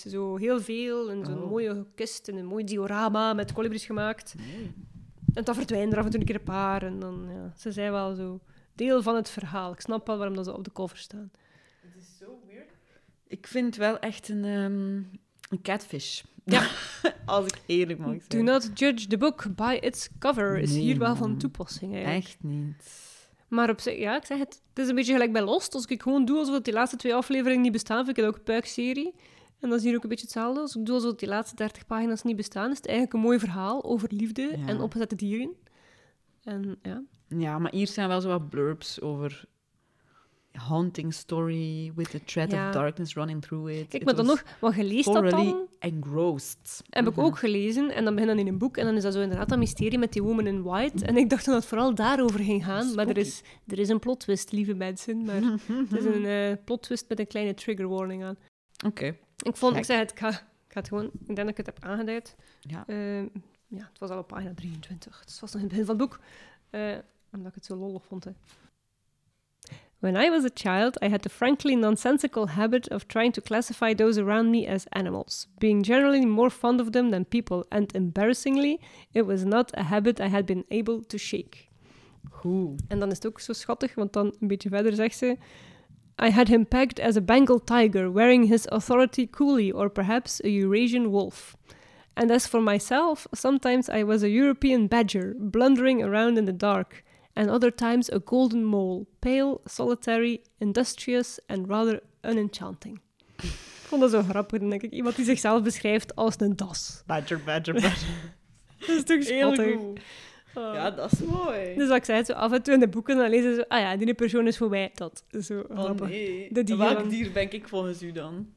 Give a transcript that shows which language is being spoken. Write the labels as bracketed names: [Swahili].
[Dutch] Zo heel veel, en zo'n mooie kist en een mooi diorama met kolibries gemaakt. Nee. En dan verdwijnen er af en toe een keer een paar. En dan, ze zijn wel zo deel van het verhaal. Ik snap wel waarom dat ze op de cover staan. Het is zo weird. Ik vind wel echt een catfish. Ja. Als ik eerlijk mag zijn. [English] Do not judge the book by its cover. [Dutch] Is hier wel van toepassing, eigenlijk. Echt niet. Maar op zich, ik zeg het. Het is een beetje gelijk bij Lost. Als ik gewoon doe alsof die laatste twee afleveringen niet bestaan, vind ik het ook een puikserie. En dat is hier ook een beetje hetzelfde. Als ik doe alsof die laatste 30 pagina's niet bestaan, is het eigenlijk een mooi verhaal over liefde en opgezette dieren. En, ja. Ja, maar hier zijn wel zo wat blurbs over [English] haunting story with the thread of darkness running through it. [Dutch] Kijk, maar dan nog, want je leest dat dan... [English] engrossed. [Dutch] Heb ik ook gelezen. En dan begint dan in een boek. En dan is dat zo inderdaad dat mysterie met die woman in white. En ik dacht dat het vooral daarover ging gaan. Spooky. Maar er is een plot twist, lieve mensen. Maar het is een plot twist met een kleine trigger warning aan. Oké. Okay. Ik zei het, ik ga het gewoon... Ik denk dat ik het heb aangeduid. Ja. Ja, het was al op pagina 23. Dus het was nog in het begin van het boek. Omdat ik het zo lollig vond, hè. [English] When I was a child, I had the frankly nonsensical habit of trying to classify those around me as animals, being generally more fond of them than people, and embarrassingly, it was not a habit I had been able to shake. Ooh. [Dutch] En dan is het ook zo schattig, want dan een beetje verder zegt ze, [English] I had him pegged as a Bengal tiger, wearing his authority coolly, or perhaps a Eurasian wolf. And as for myself, sometimes I was a European badger, blundering around in the dark, and other times a golden mole, pale, solitary, industrious, and rather unenchanting. [Dutch] Ik vond dat zo grappig, denk ik. Iemand die zichzelf beschrijft als een das. [English] Badger, badger, badger. [Dutch] Dat is toch schattig. Oh. Ja, dat is mooi. Dus wat ik zei, zo af en toe in de boeken, dan lezen ze, ah ja, die persoon is voor mij dat. Zo grappig. Oh nee. De dieren. Welk dier ben ik volgens u dan?